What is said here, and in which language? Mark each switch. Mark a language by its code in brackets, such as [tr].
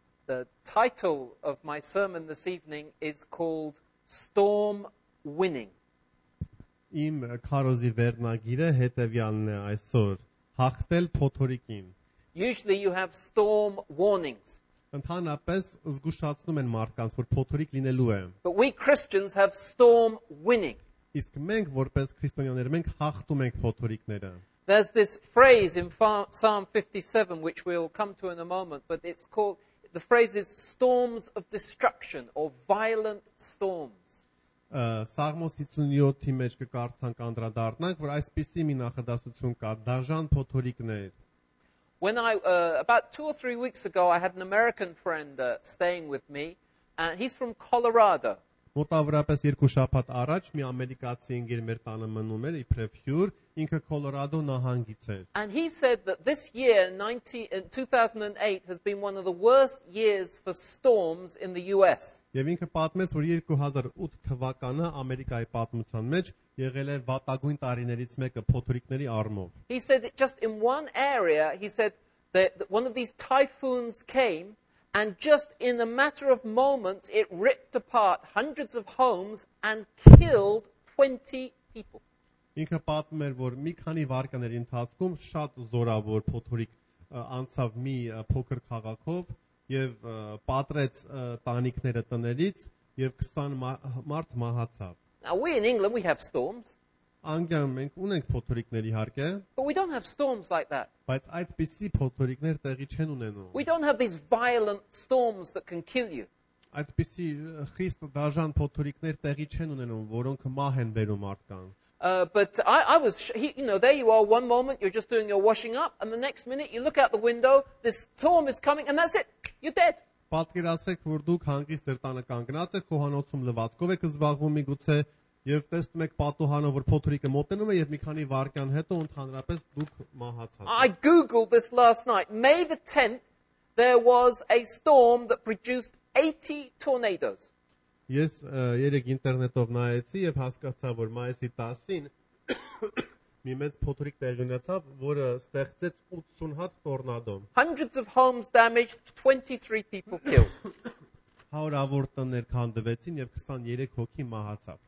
[en] The title of my sermon this evening is called Storm Winning. [hy] Իմ քարոզի վերնագիրը հետևյալն է այսօր. Հաղթել փոթորիկին. [en] Usually you have storm warnings. [hy] Ընդհանրապես զգուշացնում են մարդկանց, որ փոթորիկ լինելու է. [en] But we Christians have storm winning. [hy] Իսկ մենք որպես քրիստոնյաներ մենք հաղթում ենք փոթորիկները. [en] There's this phrase in Psalm 57 which we'll come to in a moment, but it's called the phrase is storms of destruction or violent storms. [hy] Սաղմոս 57-ի մեջ կկարդանք անդրադառնանք, որ այսպիսի մի նախադասություն կա՝ դաժան փոթորիկներ։ [en] When I about 2 or 3 weeks ago I had an American friend staying with me and he's from Colorado. [hy] Մոտավորապես երկու շաբաթ առաջ մի ամերիկացի ընկեր մեր տանը մնում էր իբրև հյուր, ինքը Կոլորադո նահանգից էր. [en] And he said that this year 2008 has been one of the worst years for storms in the US. [hy] Եվ ինքը պատմեց, որ 2008 թվականը Ամերիկայի պատմության մեջ եղել է վատագույն տարիներից մեկը փոթորիկների առմով. [en] He said that just in one area, he said that one of these typhoons came and just in a matter of moments it ripped apart hundreds of homes and killed 20 people. [hy] Ինքը պատմում էր, որ մի քանի վարկաների ընթացքում շատ զորավոր փոթորիկ անցավ մի փոքր քաղաքով եւ պատրեց տանիքները տներից եւ 20 մարդ մահացավ. [en] Now we in England we have storms. [hy] Անգլիայում մենք ունենք փոթորիկների հարկը։ [en] But we don't have storms like that. [hy] Բայց այդպիսի փոթորիկներ տեղի չեն ունենում։ [en] We don't have these violent storms that can kill you. [hy] Այդպիսի խիստ դաժան փոթորիկներ տեղի չեն ունենում, որոնք մահ են բերում մարդկանց։ [en] But I was, you know, there you are, one moment you're just doing your washing up and the next minute you look out the window, this storm is coming and that's it, you're dead. [hy] Պատկերացրեք, որ դուք հանգիստ դրտանը կանգնած եք խոհանոցում լվացքով եք զբաղվում միգուցե Եվ տեսնում եք պատուհանը, որ փոթորիկը մոտենում է եւ մի քանի վարկյան հետո ընդհանրապես դուք մահացած եք։ [en] I googled this last night. May the 10th there was a storm that produced 80 tornadoes. [hy] Ես երեկ ինտերնետով նայեցի եւ հասկացա, որ մայիսի 10-ին մի մեծ փոթորիկ տեղի ունեցավ, որը ստեղծեց 80 հատ տորնադո։ [en] Hundreds of homes damaged, 23 people killed. [hy] Հարավոր տներ քանդվեցին եւ 23 հոգի մահացավ։